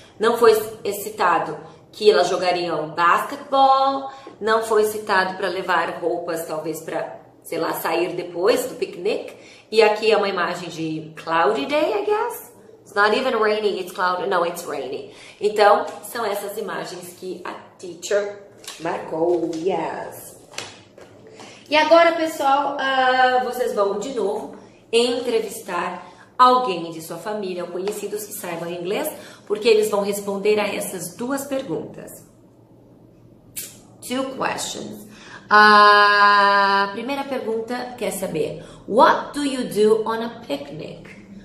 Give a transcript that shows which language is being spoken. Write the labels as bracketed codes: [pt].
[pt] Não foi citado que elas jogariam basketball, não foi citado para levar roupas, talvez para, sei lá, sair depois do picnic. E aqui é uma imagem de cloudy day, [en] I guess. It's not even rainy, it's cloudy. No, it's rainy. [pt] Então, são essas imagens que a teacher Marcou, yes. E agora, pessoal, vocês vão de novo entrevistar alguém de sua família ou conhecidos que saibam inglês, porque eles vão responder a essas duas perguntas. [en] Two questions. [pt] A primeira pergunta quer saber: [en] What do you do on a picnic?